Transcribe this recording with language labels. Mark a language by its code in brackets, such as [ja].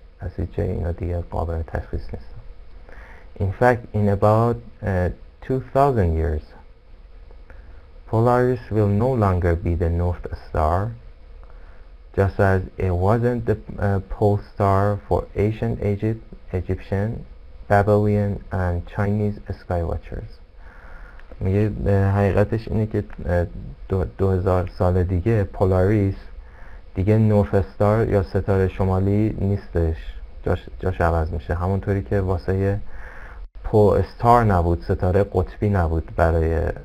[fa] از این جای اینا دیگه قابل تشخیص نیست. [en] In fact, in about 2000 years, Polaris will no longer be the North Star, just as it wasn't the pole star for ancient Egypt, Egyptian, Babylonian, and Chinese sky watchers. [fa] میگه حقیقتش اینه که 2000 سال دیگه پولاریس دیگه نورث استار یا ستاره شمالی نیستش، جاش عوض میشه، همونطوری که واسه پو استار نبود، ستاره قطبی نبود برای